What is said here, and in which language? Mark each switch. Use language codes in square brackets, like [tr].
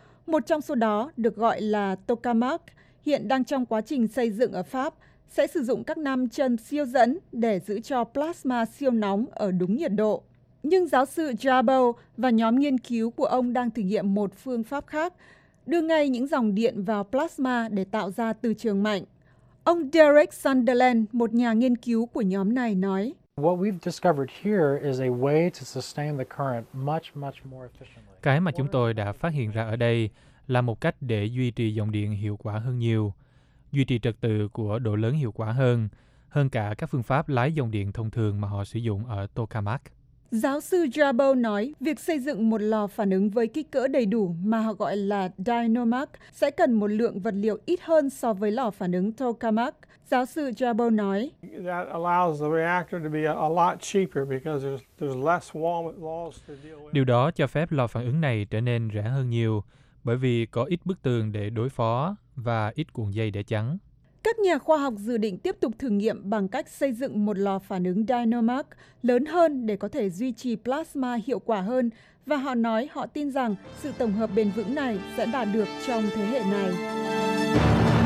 [vi] Một trong số đó được gọi là tokamak, hiện đang trong quá trình xây dựng ở Pháp, sẽ sử dụng các nam châm siêu dẫn để giữ cho plasma siêu nóng ở đúng nhiệt độ. Nhưng giáo sư Jabo và nhóm nghiên cứu của ông đang thử nghiệm một phương pháp khác, đưa ngay những dòng điện vào plasma để tạo ra từ trường mạnh. Ông Derek Sunderland, một nhà nghiên cứu của nhóm này, nói: [en] "What we've discovered here is a way to sustain the current much, much more efficiently." [vi] Cái mà chúng tôi đã phát hiện ra ở đây là một cách để duy trì dòng điện hiệu quả hơn nhiều, duy trì trật tự của độ lớn hiệu quả hơn cả các phương pháp lái dòng điện thông thường mà họ sử dụng ở tokamak. Giáo sư Jabo nói, việc xây dựng một lò phản ứng với kích cỡ đầy đủ mà họ gọi là dynamak sẽ cần một lượng vật liệu ít hơn so với lò phản ứng tokamak. Giáo sư Jabo nói, [en] that allows the reactor to be a lot cheaper because there's less wall laws to deal with. [vi] Điều đó cho phép lò phản ứng này trở nên rẻ hơn nhiều bởi vì có ít bức tường để đối phó và ít cuộn dây để chắn. Các nhà khoa học dự định tiếp tục thử nghiệm bằng cách xây dựng một lò phản ứng dynamak lớn hơn để có thể duy trì plasma hiệu quả hơn, và họ nói họ tin rằng sự tổng hợp bền vững này sẽ đạt được trong thế hệ này.